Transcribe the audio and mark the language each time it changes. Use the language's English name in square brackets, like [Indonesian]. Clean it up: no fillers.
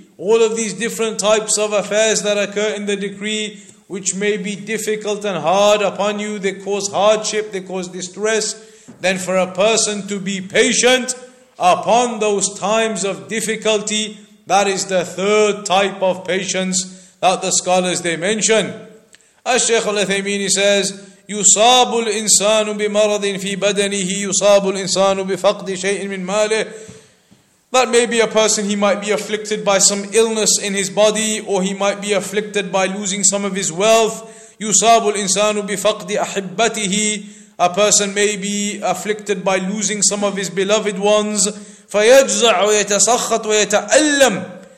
[English] All of these different types of affairs that occur in the decree, which may be difficult and hard upon you, they cause hardship, they cause distress. Then for a person to be patient upon those times of difficulty, that is the third type of patience that the scholars they mention. As Shaykh Al-Uthaymeen says, [Arabic] يُصَابُ الْإِنسَانُ بِمَرَضٍ فِي بَدَنِهِ يُصَابُ الْإِنسَانُ بِفَقْدِ شَيْءٍ مِنْ مَالِهِ. [English] That maybe a person, he might be afflicted by some illness in his body, or he might be afflicted by losing some of his wealth. [Arabic] يُصَابُ الْإِنسَانُ بِفَقْدِ أَحِبَّتِهِ. [English] A person may be afflicted by losing some of his beloved ones. [Arabic] فَيَجْزَعُ وَيَتَسَخَّطُ وَيَتَأَلَّمُ.